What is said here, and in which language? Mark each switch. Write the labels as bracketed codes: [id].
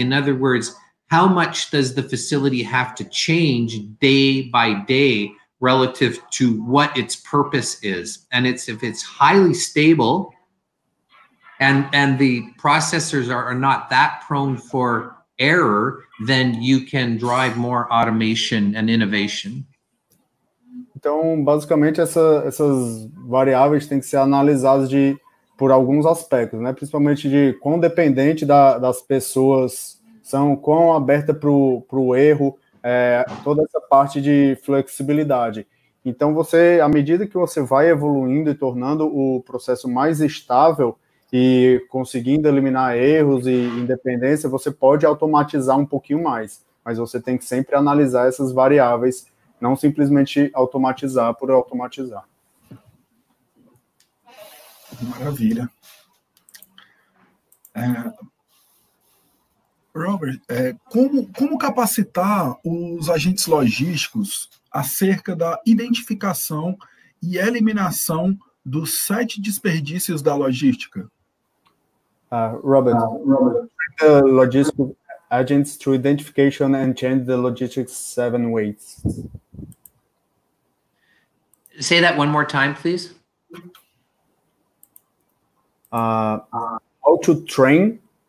[en] In other words, how much does the facility have to change day by day relative to what its purpose is? And it's, if it's highly stable and the processors are not that prone for error, then you can drive more automation and innovation. [pt] Então, basicamente, essas variáveis têm que ser analisadas por alguns aspectos, né? Principalmente de quão dependente das pessoas são, quão aberta para o erro, toda essa parte de flexibilidade. Então, você, à medida que você vai evoluindo e tornando o processo mais estável e conseguindo eliminar erros e independência, você pode automatizar um pouquinho mais, mas você tem que sempre analisar essas variáveis, não simplesmente automatizar por automatizar. Maravilha. Robert, como capacitar os agentes logísticos acerca da identificação e eliminação dos 7 desperdícios da logística? [en] Robert, the logistical agents to identification and change the logistics 7 weights. Say that one more time, please. How to train,